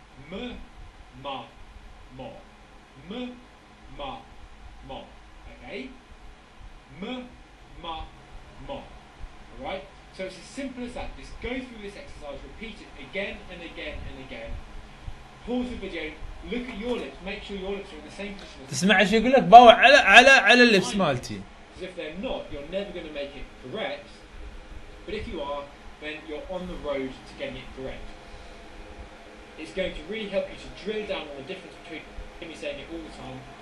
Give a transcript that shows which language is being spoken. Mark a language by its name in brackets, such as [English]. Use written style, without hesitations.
[English] م م ما م م ما م okay م ما م right so it's as simple as that just go through this exercise repeat it again and again and again pause the video, look at your lips, make sure your lips are in the same position. [Arabic] تسمع إيش يقول لك باوع على على على اللبس مالتي. [English] Because if they're not, you're never going to make it correct. But if you are, then you're on the road to getting it correct. It's going to really help you to drill down on the difference between me saying it all the time.